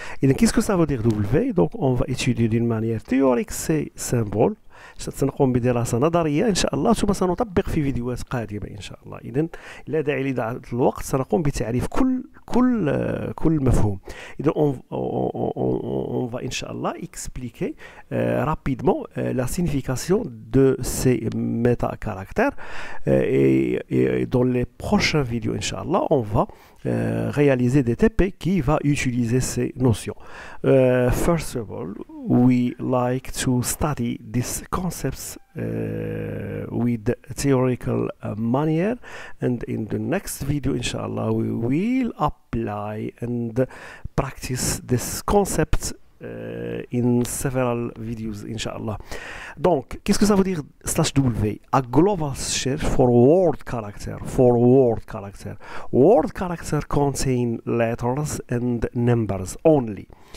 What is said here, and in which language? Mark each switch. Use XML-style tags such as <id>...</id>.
<fr>Et donc, qu'est-ce que ça veut dire W? Donc, on va étudier d'une manière théorique ces symboles.</fr> <ar>سنقوم بدراسة نظرية إن شاء الله ثم سنطبق في فيديوهات قادمة إن شاء الله. إذن لا داعي لإضاعة الوقت، سنقوم بتعريف كل مفهوم. إذن</ar> <fr>on va</fr> <ar>إن شاء الله</ar> <fr>expliquer rapidement la signification de ces méta caractères et dans les prochains vidéos إن شاء الله on va réaliser des TP qui va utiliser ces notions.</fr> <en>First of all, we like to study this concepts with theoretical manner, and in the next video inshallah we will apply and practice this concept in several videos inshallah.</en> <fr>Donc qu'est-ce que ça veut dire slash w?</fr> <en>A global search for word character. For word character, word character contain letters and numbers only.</en>